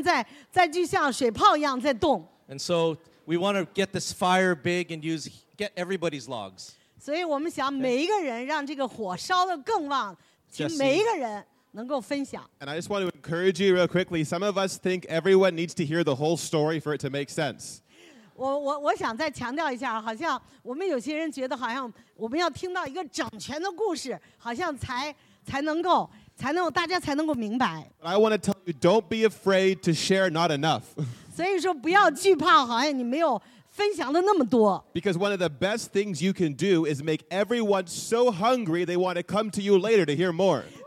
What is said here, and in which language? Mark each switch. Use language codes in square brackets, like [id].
[zh] 所以我们很多人都知道，我们里边好像在就像水泡一样在动。 [en] And so we want to get this fire big and get everybody's logs. [zh] 所以我们想每一个人让这个火烧得更旺，请每一个人能够分享。 [en] And I just want to encourage you real quickly. Some of us think everyone needs to hear the whole story for it to make sense. [zh] 我想再强调一下，好像我们有些人觉得好像我们要听到一个整全的故事，好像才能够大家才能够明白。 [en] But I want to tell you, don't be afraid to share not enough. [zh] 所以说不要惧怕，好像你没有。 [en] Because one of the best things you can do is make everyone so hungry they want to come to you later to hear more.